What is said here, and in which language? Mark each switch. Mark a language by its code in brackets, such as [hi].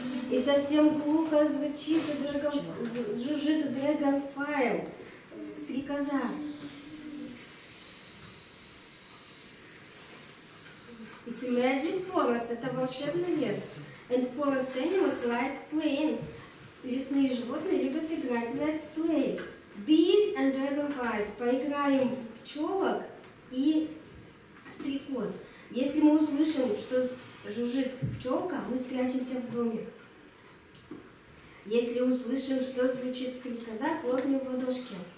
[ru] И совсем глухо звучит жужжит [en] Dragonfly, [ru] стрекоза. [en] It's a magic forest, [ru] это волшебный лес. [en] And forest animals like playing. [ru] Лесные животные любят играть. [en] Let's play. Bees and dragonflies. [ru] Поиграем пчелок и стрекоз. Если мы услышим, что жужжит пчелка, мы спрячемся в доме. Если услышим, что звучит стрекоза, хлопнем в ладошки.